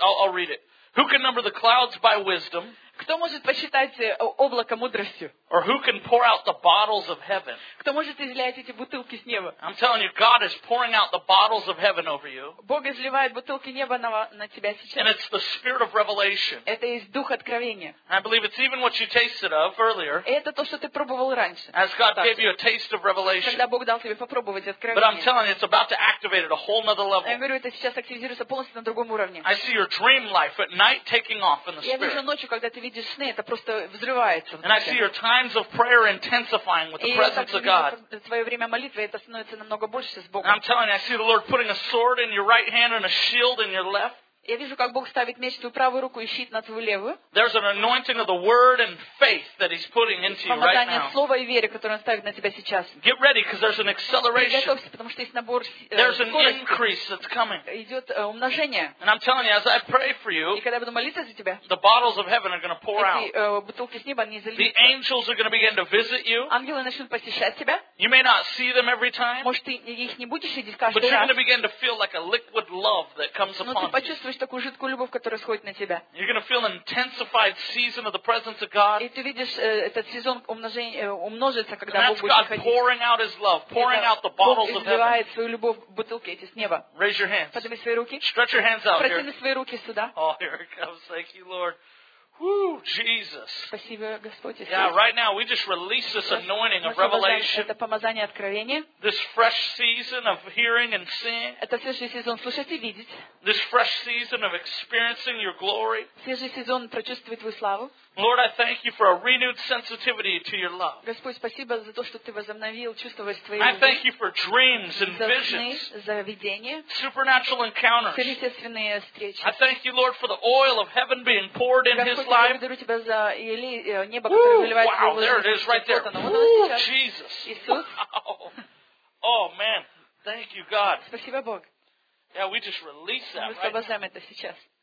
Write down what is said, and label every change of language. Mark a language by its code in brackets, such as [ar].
[en] I'll read it. Who can number the clouds by wisdom? [ru] Кто может посчитать облако мудростью? [en] Or who can pour out the bottles of heaven? [ru] Кто может излить эти бутылки с неба? [en] I'm telling you, God is pouring out the bottles of heaven over you. [ru] Бог изливает бутылки неба на тебя сейчас. [en] And it's the spirit of revelation. [ru] Это есть дух откровения. [en] I believe it's even what you tasted of earlier. [ru] Это то, что ты пробовал раньше. [en] As God gave you a taste of revelation. [ru] Когда Бог дал тебе попробовать откровение. [en] But I'm telling you, it's about to activate at a whole another level. [ru] Я говорю, это сейчас активизируется полностью на другом уровне. [en] I see your dream life at night taking off in the spirit. [ru] Я вижу ночью, когда ты видишь сны, это просто взрывается. [en] And I see your times of prayer intensifying with the presence of God. [ru] И твое время молитвы, это становится намного больше с Богом. [en] I'm telling you, I see the Lord putting a sword in your right hand and a shield in your left. [ru] Я вижу, как Бог ставит меч в твою правую руку и щит на твою левую. [en] There's an anointing of the word and faith that he's putting into you right now. [ru] Помазание слова и веры, которое он ставит на тебя сейчас. [en] Get ready, because there's an acceleration. [ru] Приготовься, потому что есть набор скорости. [en] There's an increase that's coming. [ru] Идет умножение. [en] And I'm telling you, as I pray for you, [ru] и когда я буду молиться за тебя, [en] the bottles of heaven are going to pour out. [ru] Эти бутылки с неба, они залиются. [en] The angels are going to begin to visit you. [ru] Ангелы начнут посещать тебя. [en] You may not see them every time. [ru] Может, ты их не будешь видеть каждый раз. [en] But you're going to begin to feel like a liquid love that comes upon you. [ru] Такую жидкую любовь, которая сходит на тебя. [en] You're going to feel an intensified season of the presence of God. [ru] И ты видишь, этот сезон умножится, когда Бог будет ходить. [en] Pouring out his love, pouring out the bottles of heaven. [ru] Бог изливает свою любовь в бутылки эти с неба. [en] Raise your hands. [ru] Подними свои руки. [en] Stretch your hands out. [ru] Протяни свои руки сюда. [en] Oh, here it comes. Thank you, Lord. Woo, Jesus. [ru] Спасибо, Господь Иисус. [en] Yeah, right now we just release this anointing of revelation. [ru] Это помазание откровения. [en] This fresh season of hearing and seeing. [ru] Это свежий сезон слышать и видеть. [en] This fresh season of experiencing your glory. [ru] Свежий сезон прочувствовать твою славу. [en] Lord, I thank you for a renewed sensitivity to your love. [ru] Господь, спасибо за то, что ты возобновил чувствовать твою любовь. [en] I thank you for dreams and visions. [ru] За видения. [en] Supernatural encounters. [ru] Сверхъестественные встречи. [en] I thank you, Lord, for the oil of heaven being poured in his life. [ru] Господь, благодарю тебя за Ели, небо, которое выливает его. [en] Wow, there it is right there. Jesus. [ru] Иисус. [en] Oh man, thank you, God. [ru] Спасибо, Бог. [en] Yeah, we just release that right. [ru] Мы освобождаем это сейчас.